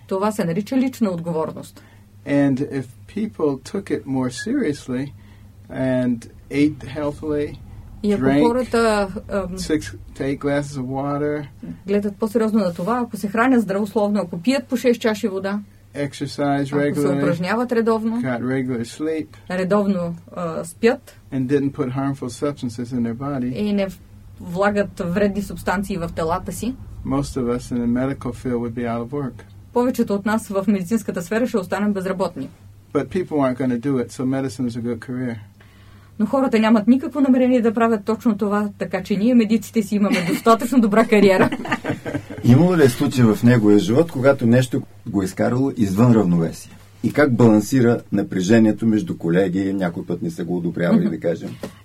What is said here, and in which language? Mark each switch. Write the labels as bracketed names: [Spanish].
[Bulgarian] Това се нарича лична отговорност. [English] And if people took it more seriously and ate healthily, drank [Bulgarian] хората, [English] 6-8 glasses of water, [Bulgarian] гледат по-сериозно на това, ако се хранят здравословно, ако пият по 6 чаши вода, [English] exercise regularly, [Bulgarian] ако се упражняват редовно, [English] got regular sleep, [Bulgarian] редовно спят, [English] and didn't put harmful substances in their body, [Bulgarian] и не влагат вредни субстанции в телата си, [English] most of us in the medical field would be out of work. [Bulgarian] Повечето от нас в медицинската сфера ще останем безработни. [English] But people aren't going to do it, so medicine is a good career. [Bulgarian] Но хората нямат никакво намерение да правят точно това, така че ние медиците си имаме достатъчно добра кариера. Имало ли е случай в неговия живот, когато нещо го е изкарало извън равновесие? И как балансира напрежението между колеги, някой път не се го одобрява или да кажем?